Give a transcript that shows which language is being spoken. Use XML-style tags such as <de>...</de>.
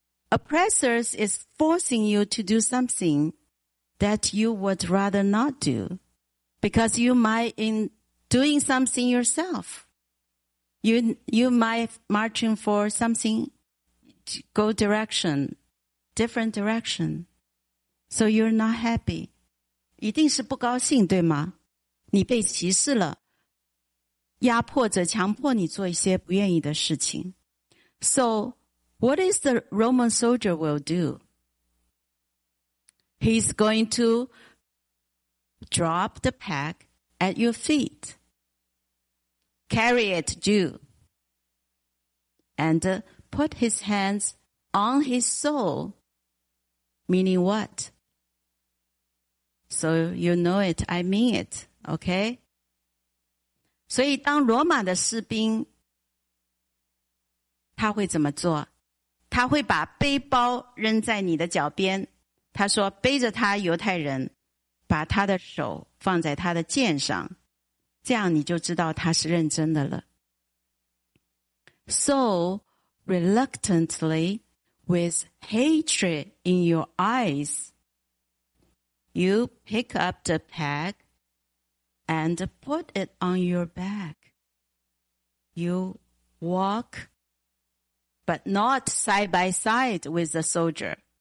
<en>Oppressors is forcing you to do something that you would rather not do. Because you might in doing something yourself. You might marching for something, go direction, different direction. So you're not happy.</en> <zh>一定是不高兴，对吗？你被歧视了，压迫着强迫你做一些不愿意的事情。</zh> <en>So what is the Roman soldier will do? He's going to... Drop the pack at your feet. Carry it, Jew. And put his hands on his soul. Meaning what? So you know it, I mean it, okay?</en> <zh>所以当罗马的士兵他会怎么做？他会把背包扔在你的脚边。他说背着他犹太人。把他的手放在他的剑上，这样你就知道他是认真的了。</zh> <en>So, reluctantly, with hatred in your eyes, you pick up the pack and put it on your back. You walk, but not side by side with the soldier.</en>